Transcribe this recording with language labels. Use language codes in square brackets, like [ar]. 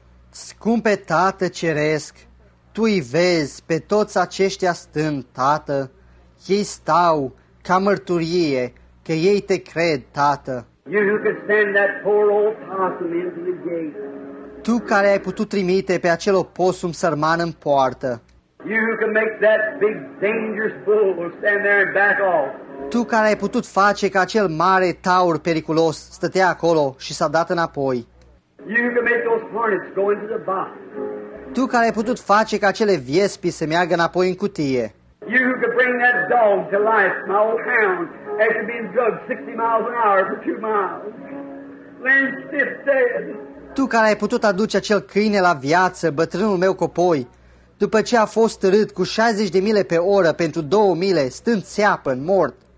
[ro] Scumpe Tată Ceresc, Tu îi vezi pe toți aceștia stând, Tată, ei stau ca mărturie că ei Te cred, Tată. [en] You who could send that poor old possum into the gate. [ro] Tu care ai putut trimite pe acel opossum sărman în poartă. [en] You who could make that big dangerous bull stand there and back off. [ro] Tu care ai putut face ca acel mare taur periculos stătea acolo și s-a dat înapoi. [en] You can make those hornets go into the box. [ro] Tu care ai putut face ca acele viespi să meargă înapoi în cutie. [en] You can bring that dog to life, my old hound, after being drugged 60 miles an hour for 2 miles. Lay stiff dead. [ro] Tu care ai putut aduce acel câine la viață, bătrânul meu copoi, După ce a fost târât cu 60 de mile pe oră pentru 2 mile, stând țeapă în mort.